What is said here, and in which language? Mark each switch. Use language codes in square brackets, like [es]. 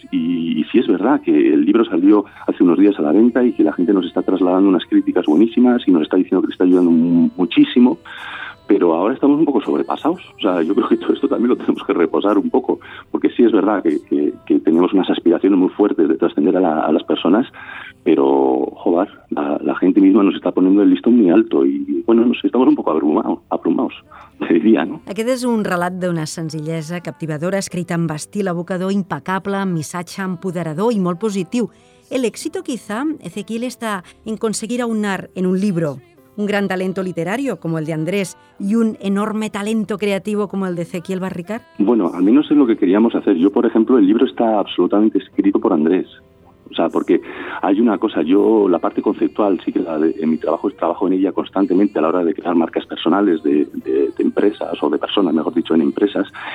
[es] Y sí es verdad que el libro salió hace unos días a la venta y que la gente nos está trasladando unas críticas buenísimas y nos está diciendo que le está ayudando muchísimo, pero ahora estamos un poco sobrepasados. O sea, yo creo que todo esto también lo tenemos que reposar un poco, porque sí es verdad que tenemos unas aspiraciones muy fuertes de trascender a las personas, pero, joder, la gente misma nos está poniendo el listón muy alto y, bueno, no sé, estamos un poco abrumados, te diria, ¿no? [ca] Aquest és un relat d'una senzillesa captivadora, escrita amb estil evocador, impecable, missatge empoderador i molt positiu. [es] El éxito, quizá, Ezequiel, está en conseguir aunar en un libro un gran talento literario como el de Andrés y un enorme talento creativo como el de Ezequiel Barricar? Bueno, al menos es lo que queríamos hacer. Yo, por ejemplo, el libro está absolutamente escrito por Andrés. O sea, porque hay una cosa, yo la parte conceptual sí que en mi trabajo trabajo en ella constantemente a la hora de crear marcas personales de empresas o de personas, mejor dicho, en empresas.